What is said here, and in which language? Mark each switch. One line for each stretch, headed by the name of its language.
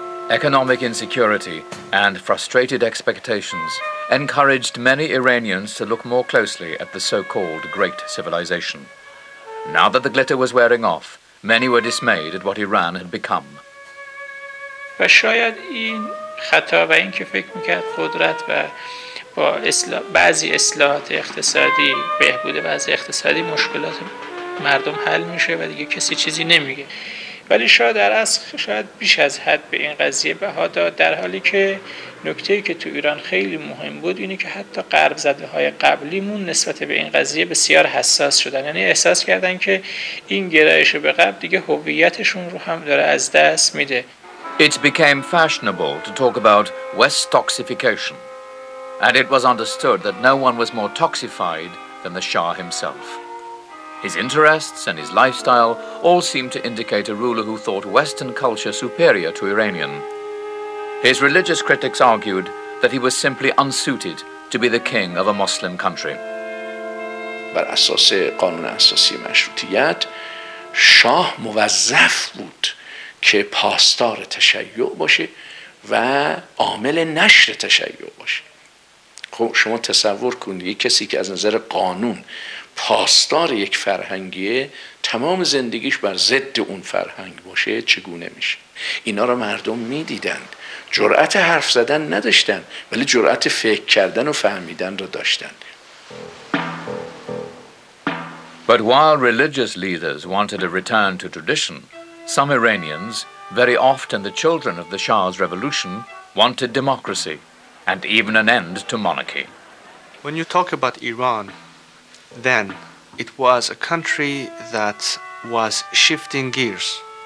English: Economic insecurity and frustrated expectations encouraged many Iranians to look more closely at the so-called great civilization. Now that the glitter was wearing off, many were dismayed at what Iran had become.
Persian: و شاید این خطا و این که فکر میکرد قدرت و با بعضی اصلاحات اقتصادی بهبود وضع اقتصادی مشکلات مردم حل میشه و دیگه کسی چیزی نمیگه. ولی شاید در اصل شاید بیش از حد به این قضیه بها داد در حالی که نکته‌ای که تو ایران خیلی مهم بود اینه که حتی غرب زده‌های قبلیمون نسبت به این قضیه بسیار حساس شدن یعنی احساس کردن که این گرایش به غرب دیگه هویتشون رو هم داره از دست میده
English: It became fashionable to talk about West toxification and it was understood that no one was more toxified than the Shah himself His interests and his lifestyle all seemed to indicate a ruler who thought Western culture superior to Iranian. His religious critics argued that he was simply unsuited to be the king of a Muslim country.
Persian: بر اساس قانون اساسی مشروطیت شاه موظف بود که پاسدار تشیع باشه و عامل نشر تشیع باشه. خب شما تصور کنید یک کسی که از نظر قانون پاسدار یک فرهنگیه، تمام زندگیش بر ضد اون فرهنگ باشه، چگونه میشه؟ اینا رو مردم میدیدند، جرأت حرف زدن نداشتن، ولی جرأت فکر کردن و فهمیدن رو داشتن.
English: But while religious leaders wanted a return to tradition, some Iranians, very often the children of the Shah's revolution, wanted democracy and even an end to monarchy. When you talk about Iran, then it was a country that was shifting gears.